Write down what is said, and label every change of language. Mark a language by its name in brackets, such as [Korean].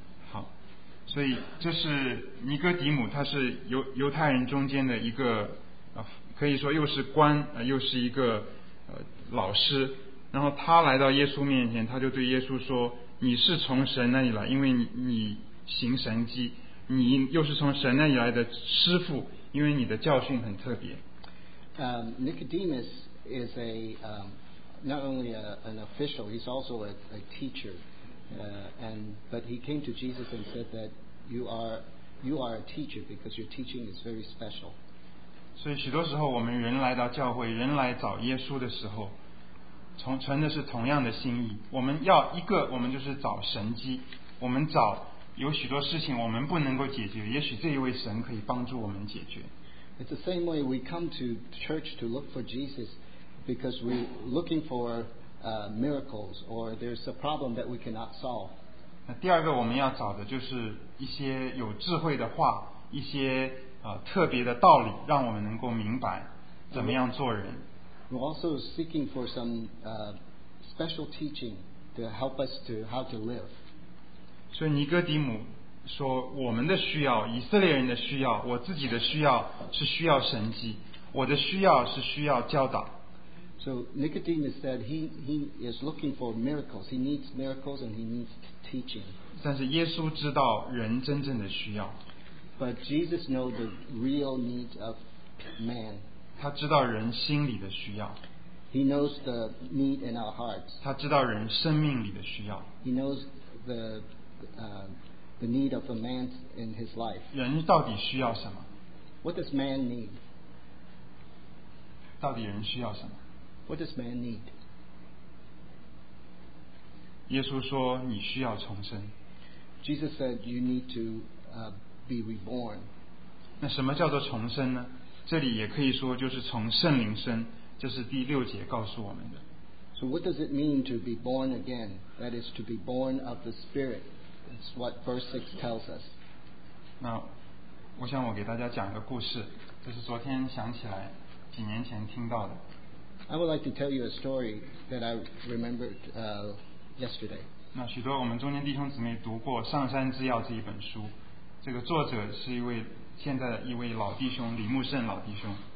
[Chinese] 好，所以这是尼哥底母，他是 犹太人中间的一个、可以说又是官、又是一个、老师。然后他来到耶稣面前，他就对耶稣说，你是从神那里来，因为 你行神迹，你又是从神那里来的师父，因为你的教训很特别。 [English] Nicodemus is a、not only a, an official, he's also a teacher.、and but he came to Jesus and said that you are a teacher because your teaching is very special. [Chinese] 所以许多时候，我们人来到教会，人来找耶稣的时候，存的是同样的心意。我们要一个，我们就是找神迹，我们找。有许多事情我们不能够解决，也许这一位神可以帮助我们解决。 [English] It's the same way we come to church to look for Jesus because we're looking for、miracles or there's a problem that we cannot solve. [Chinese] 那第二个我们要找的就是一些有智慧的话，一些、特别的道理，让我们能够明白怎么样做人。 [English] We're also seeking for some、special teaching to help us to how to live. [Chinese] 所以尼哥底母说，我们的需要，以色列人的需要，我自己的需要是需要神迹，我的需要是需要教导。 [English] So Nicodemus said he is looking for miracles. He needs miracles and he needs teaching. [Chinese] 但是耶稣知道人真正的需要。 [English] But Jesus knows the real needs of man. [Chinese] 他知道人心里的需要。 [English] He knows the need in our hearts. [Chinese] 他知道人生命里的需要。 [English] He knows the the need of a man in his life. [Chinese] 人到底需要什么？ [English] What does man need? [Chinese] 到底人需要什么？ [English] What does man need? [Chinese] 耶稣说你需要重生。 [English] Jesus said you need to be reborn. [Chinese] 那什么叫做重生呢？这里也可以说就是从圣灵生，这是第六节告诉我们的。 [English] So what does it mean to be born again? That is to be born of the Spirit. That's what verse 6 tells us. [Chinese] 那我想我给大家讲一个故事，这是昨天想起来几年前听到的。 [English] I would like to tell you a story that I remembered yesterday. [Chinese] 那许多我们中间弟兄姊妹读过《上山之钥》这一本书，这个作者是一位现在一位老弟兄，李木胜老弟兄。